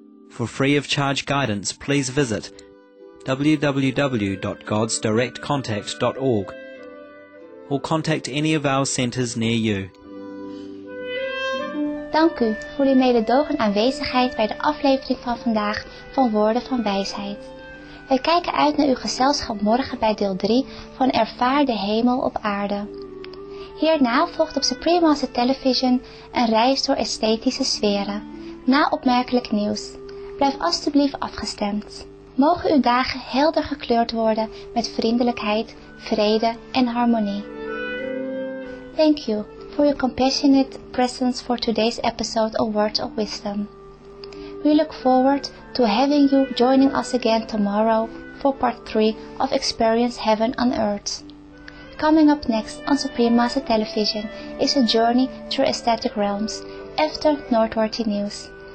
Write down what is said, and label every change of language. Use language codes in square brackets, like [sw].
[en] For free of charge guidance, please visit www.godsdirectcontact.org or contact any of our centers near you. [nl] Dank u voor uw mededogen aanwezigheid bij de aflevering van vandaag van Woorden van Wijsheid. Wij kijken uit naar uw gezelschap morgen bij deel 3 van Ervaar de Hemel op Aarde. Hierna volgt op Supreme Master Television een reis door esthetische sferen. Na opmerkelijk nieuws. Blijf alstublieft afgestemd. Mogen uw dagen helder gekleurd worden met vriendelijkheid, vrede en harmonie. [en] Thank you for your compassionate presence for today's episode of Words of Wisdom. We look forward to having you joining us again tomorrow for part 3 of Experience Heaven on Earth. Coming up next on Supreme Master Television is a journey through aesthetic realms after noteworthy news.